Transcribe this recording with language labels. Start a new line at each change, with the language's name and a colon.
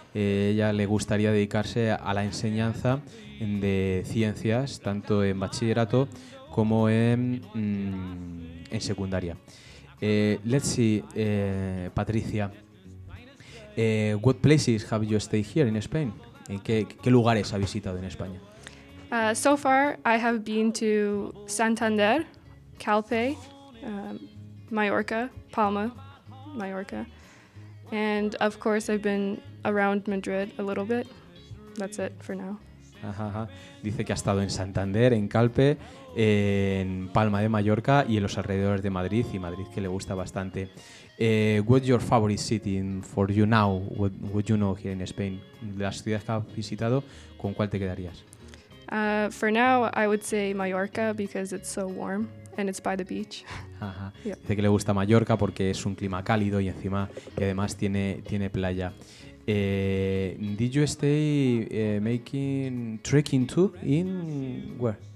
Spanish: Ella le gustaría dedicarse a la enseñanza de ciencias, tanto en bachillerato como en secundaria.
English: Let's see, Patricia. What places have you stayed here in Spain?
Spanish: ¿Qué lugares ha visitado en España?
English: So far, I have been to Santander, Calpe, Mallorca, Palma, Mallorca, and of course I've been around Madrid a little bit. That's it for now.
Spanish: Ajá, ajá. Dice que ha estado en Santander, en Calpe, en Palma de Mallorca y en los alrededores de Madrid, y Madrid que le gusta bastante.
English: What's your favorite city for you now? What you know here in Spain?
Spanish: De las ciudades que has visitado, ¿con cuál te quedarías?
English: For now, I would say Mallorca because it's so warm and it's by the beach. Ajá. Yep.
Spanish: Dice que le gusta Mallorca porque es un clima cálido y encima y además tiene playa.
English: Did you stay making trekking too in where?